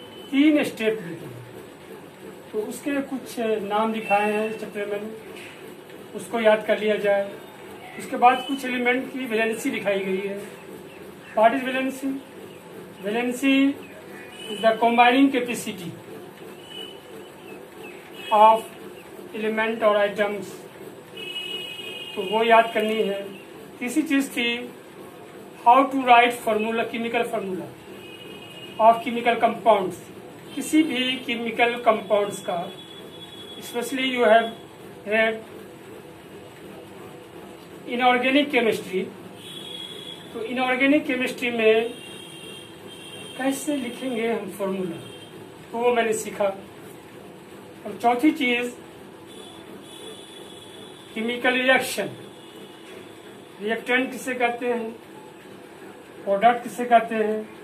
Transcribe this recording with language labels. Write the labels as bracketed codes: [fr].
[hi] तीन स्टेप दिया तो उसके कुछ नाम दिखाए हैं चैप्टर में उसको याद कर लिया जाए उसके बाद कुछ एलिमेंट की वैलेंसी दिखाई गई है [en] What is valency? Valency is the combining capacity of element or atoms. [hi] तो वो याद करनी है. तीसरी चीज थी [en] how to write formula, chemical formula of chemical compounds. [hi] किसी भी [en] chemical compounds [hi] का, [en] especially you have read inorganic chemistry. [hi] तो इनऑर्गेनिक केमिस्ट्री में कैसे लिखेंगे हम फॉर्मूला तो वो मैंने सीखा और चौथी चीज केमिकल रिएक्शन रिएक्टेंट किसे कहते हैं प्रोडक्ट किसे कहते हैं